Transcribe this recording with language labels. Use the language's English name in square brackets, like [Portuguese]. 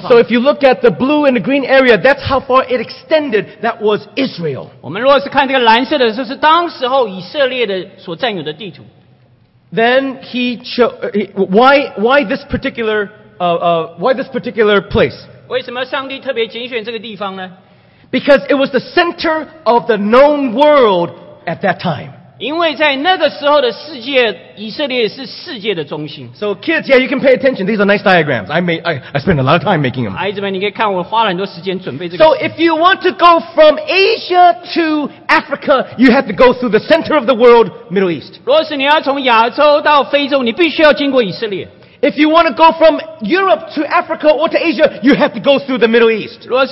[English] And so if you look at the blue and the green area, that's how far it extended. That was Israel. [Chinese] 我们如果是看这个蓝色的，就是当时候以色列的所占有的地图。 [English] Then he why this particular place? [Chinese] 为什么上帝特别拣选这个地方呢？ [English] Because it was the center of the known world at that time. [Chinese] 因为在那个时候的世界，以色列是世界的中心。 [English] So kids, yeah, you can pay attention. These are nice diagrams. I spent a lot of time making them. [Chinese] 孩子们，你可以看我花了很多时间准备这个。 [English] So if you want to go from Asia to Africa, you have to go through the center of the world, Middle East. [Chinese] 若是你要从亚洲到非洲，你必须要经过以色列。 [English] If you want to go from Europe to Africa or to Asia, you have to go through the Middle East.